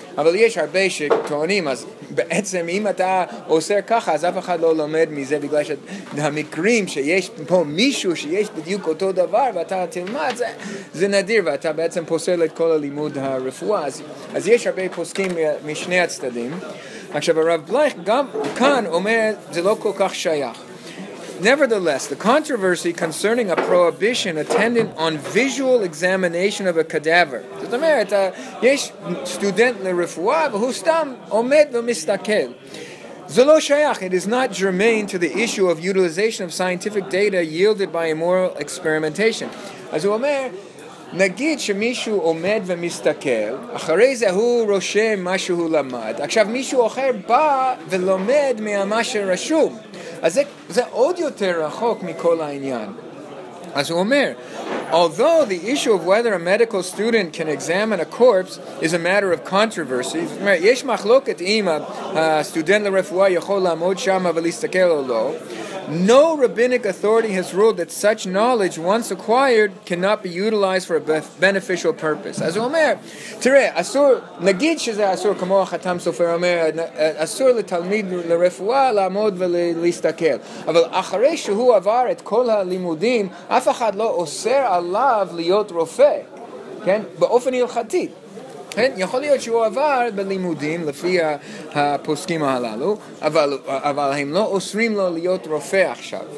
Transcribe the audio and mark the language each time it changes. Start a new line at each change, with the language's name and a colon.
Hebrew: אבל יש הרבה שטוענים, אז בעצם אם אתה עושה ככה, אז אף אחד לא לומד מזה, בגלל שהמקרים שיש פה מישהו שיש בדיוק אותו דבר, ואתה תלמד, זה נדיר, ואתה בעצם פוסל את כל הלימוד הרפואה. אז יש הרבה פוסקים משני הצדדים. עכשיו, הרב בלייך גם כאן אומר, זה לא כל כך שייך.
English: Nevertheless, the controversy concerning a prohibition attendant on visual examination of a cadaver.
Hebrew: זאת אומרת, יש סטודנט לרפואה, והוא סתם עומד ומסתכל. זה לא שייך.
English: It is not germane to the issue of utilization of scientific data yielded by immoral experimentation.
Hebrew: אז הוא אומר, נגיד שמישהו עומד ומסתכל, אחרי זה הוא רושם מה שהוא למד. עכשיו, מישהו אחר בא ולומד ממה שרשום. אז זה עוד יותר רחוק מכל העניין. אז הוא אומר,
English: although the issue of whether a medical student can examine a corpse is a matter of controversy,
Hebrew: זאת אומרת, יש מחלוקת אם הסטודנט לרפואה יכול לעמוד שם ולהסתכל או לא,
English: no rabbinic authority has ruled that such knowledge once acquired cannot be utilized for a beneficial purpose.
Hebrew: אז הוא אומר, תראה, אסור, נגיד שזה אסור, כמו החתם סופר אומר, אסור לתלמיד לרפואה לעמוד ולהסתכל, אבל אחרי שהוא עבר את כל הלימודים, אף אחד לא אוסר עליו להיות רופא, כן? באופן הלכתי, כן? יכול להיות שהוא עבר בלימודים לפי הפוסקים הללו, אבל הם לא אוסרים לו להיות רופא עכשיו.